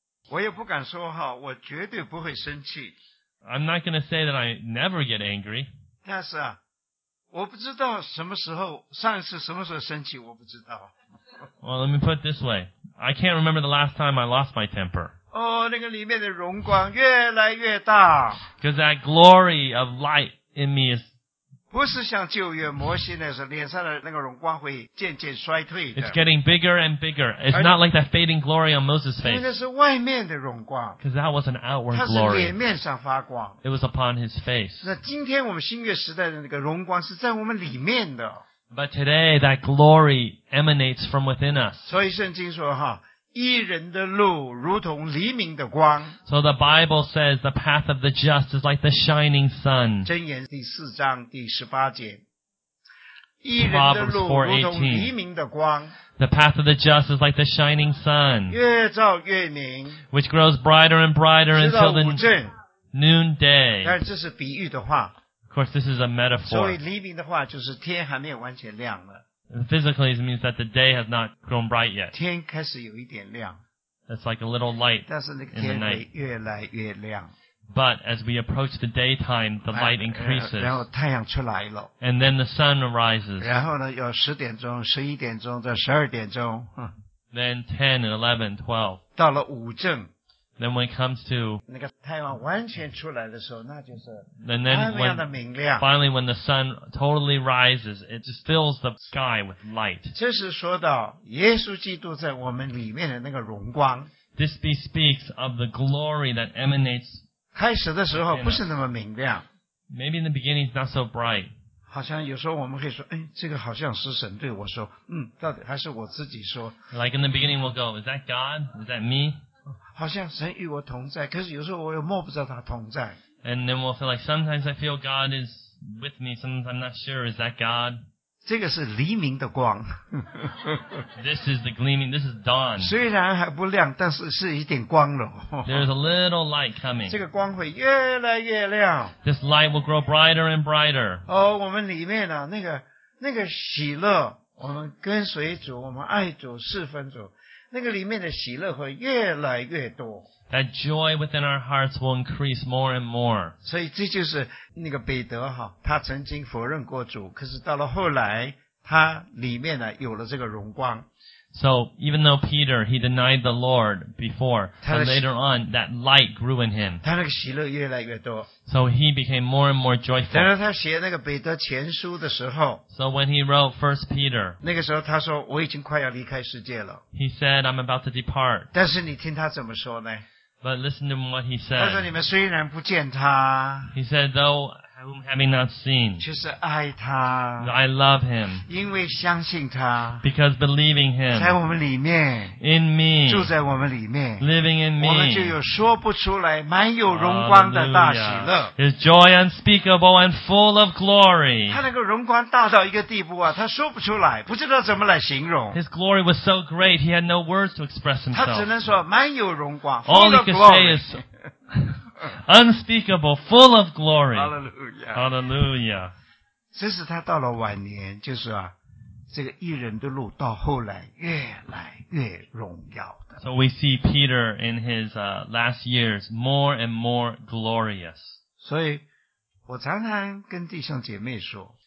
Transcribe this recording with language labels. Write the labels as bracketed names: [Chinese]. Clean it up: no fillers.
[Chinese] 我也不敢说哈，我绝对不会生气。 [English] I'm not going to say that I never get angry. [Chinese] 但是啊，我不知道什么时候，上一次什么时候生气，我不知道。 [English] Well, let me put it this way. I can't remember the last time I lost my temper. [Chinese] 哦，那个里面的荣光越来越大。 [English] Because that glory of light in me is... [Chinese] 不是像旧约摩西那时候，脸上的那个荣光会渐渐衰退的。 [English] It's getting bigger and bigger. It's not like that fading glory on Moses' face. [Chinese] 那是外面的荣光。 [English] Because that was an outward glory. [Chinese] 它是脸面上发光。 [English] It was upon his face. [Chinese] 那今天我们新约时代的那个荣光是在我们里面的。 [English] But today, that glory emanates from within us. [Chinese] 所以圣经说哈，义人的路如同黎明的光。 [English] So the Bible says the path of the just is like the shining sun. [Chinese] 箴言第四章第十八节。义人的路如同黎明的光。 [English] The path of the just is like the shining sun. [Chinese] 越照越明。 [English] Which grows brighter and brighter until the noonday. [Chinese] 但这是比喻的话。 [English] Of course, this is a metaphor. [Chinese] 所以黎明的话就是天还没有完全亮了。 [English] Physically, it means that the day has not grown bright yet. [Chinese] 天开始有一点亮。 [English] It's like a little light in the night. [Chinese] 但是那个天越来越亮。 [English] But as we approach the daytime, the light increases. [Chinese] 然后太阳出来了。 [English] And then the sun arises. [Chinese] 然后呢，有十点钟、十一点钟、到十二点钟。 [English] Then 10 and 11, 12. [Chinese] 到了午正。 [English] Then when it comes to [Chinese] 那个太阳完全出来的时候，那就是太阳的明亮。 [English] Finally, when the sun totally rises, it just fills the sky with light. [Chinese] 这是说到耶稣基督在我们里面的那个荣光。 [English] This bespeaks of the glory that emanates. [Chinese] 开始的时候不是那么明亮。 [English] Maybe in the beginning it's not so bright. [Chinese] 好像有时候我们可以说，哎，这个好像是神对我说，嗯，到底还是我自己说。 [English] Like in the beginning, we'll go, is that God? Is that me? [Chinese] 好像神与我同在，可是有时候我又摸不着他同在。 [English] And then we'll feel like sometimes I feel God is with me, sometimes I'm not sure, is that God? [Chinese] 这个是黎明的光。 [English] This is the gleaming, this is dawn. [Chinese] 虽然还不亮，但是是一点光了。 [English] There's a little light coming. [Chinese] 这个光会越来越亮。 [English] This light will grow brighter and brighter. [Chinese] 哦，我们里面啊，那个喜乐，我们跟随主，我们爱主，侍奉主。那个里面的喜乐会越来越多。 [English] That joy within our hearts will increase more and more. [Chinese] 所以这就是那个彼得哈，他曾经否认过主，可是到了后来，他里面呢有了这个荣光。 [English] So even though Peter he denied the Lord before, but later on that light grew in him. [Chinese] 他那个喜乐越来越多。 [English] So he became more and more joyful. [Chinese] 等到他写那个彼得前书的时候。 [English] So when he wrote 1 Peter, [Chinese] 那个时候他说我已经快要离开世界了。 [English] He said, I'm about to depart. [Chinese] 但是你听他怎么说呢？ [English] But listen to what he said. [Chinese] 他说你们虽然不见他。 [English] He said, though whom having not seen. [Chinese] 就是爱他。 [English] I love him. [Chinese] 因为相信他。 [English] Because believing him. [Chinese] 在我们里面。 [English] In me. [Chinese] 住在我们里面。 [English] Living in me. [Chinese] 我们就有说不出来满有荣光的大喜乐。 [English] His joy unspeakable and full of glory. [Chinese] 他那个荣光大到一个地步啊，他说不出来，不知道怎么来形容。 [English] His glory was so great, he had no words to express himself. [Chinese] 他只能说满有荣光。 [English] All he could say is, unspeakable, full of glory. Hallelujah. Hallelujah. [Chinese] 这是他到了晚年，就是啊，这个义人的路到后来越来越荣耀的。 [English] So we see Peter in his last years more and more glorious. [Chinese] 所以我常常跟弟兄姐妹说。